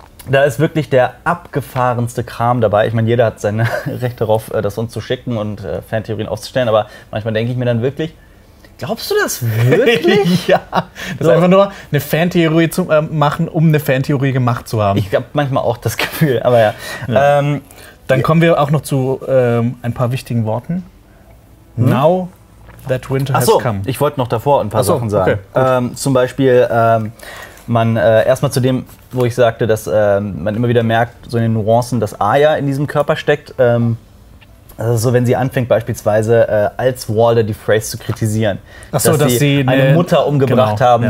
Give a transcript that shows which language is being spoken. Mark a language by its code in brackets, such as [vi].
[de] Da ist wirklich der abgefahrenste Kram dabei. Ich meine, jeder hat sein Recht darauf, das uns zu schicken und Fantheorien aufzustellen. Aber manchmal denke ich mir dann wirklich, glaubst du das wirklich? Ja, das ist einfach nur eine Fantheorie zu machen, um eine Fantheorie gemacht zu haben. Ich habe manchmal auch das Gefühl, aber ja. Dann kommen wir auch noch zu ein paar wichtigen Worten. [en] Now that winter has come. [de] Ich wollte noch davor ein paar Sachen sagen. Okay, zum Beispiel, erstmal zu dem, wo ich sagte, dass man immer wieder merkt, so in den Nuancen, dass Arya in diesem Körper steckt. Also so, wenn sie anfängt beispielsweise als Walder die Freys zu kritisieren, dass sie eine Mutter umgebracht haben,